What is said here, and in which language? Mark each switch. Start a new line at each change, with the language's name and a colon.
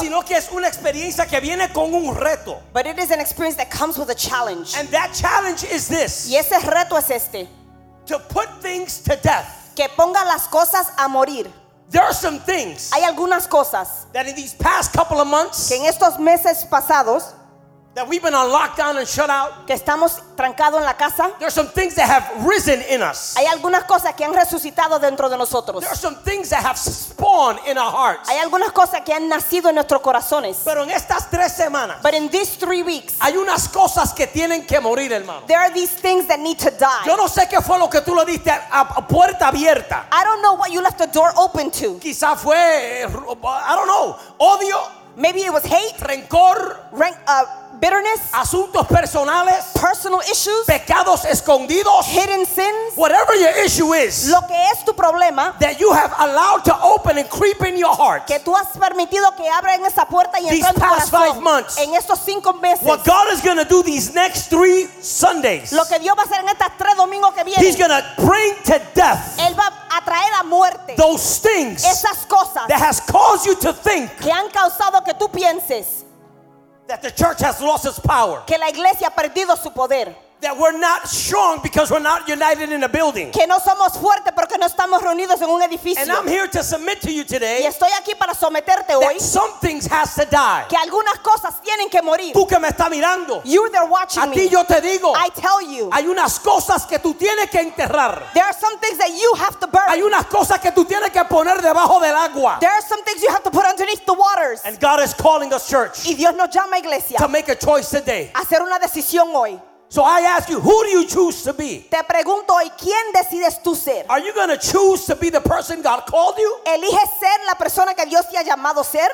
Spanish: Sino que es una experiencia que viene con un reto.
English: But it is an experience that comes with a challenge. And that challenge is this.
Spanish: Y ese reto es este.
English: To put things to death.
Spanish: Que ponga las cosas a morir.
English: There are some things.
Spanish: Hay algunas cosas.
English: That in these past couple of months.
Spanish: Que en estos meses pasados.
English: That we've been on lockdown and shut out.
Spanish: Que estamos trancado en la casa.
English: There are some things that have risen in us.
Spanish: Hay algunas cosas que han resucitado dentro de nosotros.
English: There are some things that have spawned in our hearts.
Spanish: Hay algunas cosas que han nacido en nuestros corazones. Pero en estas 3 semanas.
English: But in these 3 weeks.
Spanish: Hay unas cosas que tienen que morir, hermano.
English: There are these things that need to die.
Spanish: Yo no sé qué fue lo que tú lo diste a puerta abierta.
English: I don't know what you left the door open to.
Spanish: Quizá fue,
English: I don't know,
Spanish: odio.
English: Maybe it was hate.
Spanish: Rencor.
English: Bitterness,
Spanish: asuntos personales,
English: personal issues,
Spanish: pecados escondidos,
English: hidden sins, whatever your issue is,
Spanish: lo que es tu problema,
English: that you have allowed to open and creep in your heart,
Spanish: que tú has permitido que abra en esa puerta y entre en tu corazón.
English: These past 5 months,
Spanish: en estos 5 meses,
English: what God is going to do these next 3 Sundays,
Spanish: lo que Dios va a hacer en estas 3 domingos que vienen,
English: He's going to bring to death,
Spanish: él va a traer a muerte,
English: those things,
Spanish: esas cosas,
English: that has caused you to think,
Spanish: que han causado que tú pienses.
English: That the church has lost its power.
Spanish: Que la iglesia ha perdido su poder.
English: That we're not strong because we're not united in a building.
Spanish: Que no somos fuertes porque no estamos reunidos en un edificio.
English: And I'm here to submit to you today.
Spanish: Y estoy aquí para someterte hoy.
English: That some things has to die.
Spanish: Que algunas cosas tienen que morir. Tú que me estás mirando.
English: You there watching me.
Spanish: A ti yo te digo.
English: I tell you.
Spanish: Hay unas cosas que tú tienes que enterrar.
English: There are some things that you have to bury.
Spanish: Hay unas cosas que tú tienes que poner debajo del agua.
English: There are some things you have to put underneath the waters. And God is calling us church.
Spanish: Y Dios nos llama iglesia.
English: To make a choice today.
Spanish: Hacer una decisión hoy.
English: So I ask you, who do you choose to be?
Spanish: Te pregunto hoy, ¿quién decides tú ser?
English: Are you going to choose to be the person God called you?
Spanish: ¿Eliges ser la persona que Dios te ha llamado ser?